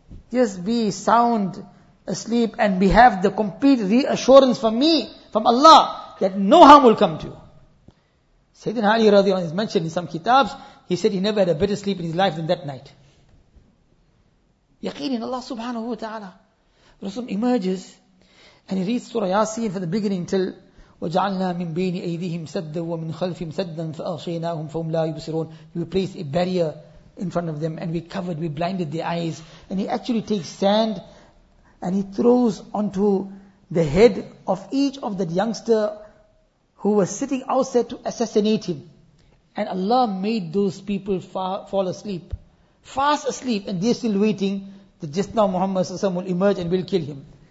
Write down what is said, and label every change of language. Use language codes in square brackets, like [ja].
[en] Just be sound asleep and we have the complete reassurance from me, from Allah, that no harm will come to you. Sayyidina Ali radiallahu anhu is mentioned in some kitabs. He said he never had a better sleep in his life than that night. Yaqeen in Allah subhanahu wa ta'ala. Rasul emerges and he reads Surah Yasin from the beginning till [ar] وَجَعَلْنَا مِنْ بَيْنِ أَيْدِهِمْ سَدًّا وَمِنْ خَلْفِهِمْ سَدًّا فَأَغْشَيْنَاهُمْ فَهُمْ لَا يُبْصِرُونَ. [en] We place a barrier in front of them and we covered, we blinded their eyes. And he actually takes sand and he throws onto the head of each of the youngster who was sitting outside to assassinate him. And Allah made those people fall asleep, fast asleep, and they're still waiting that just now Muhammad will emerge and will kill him.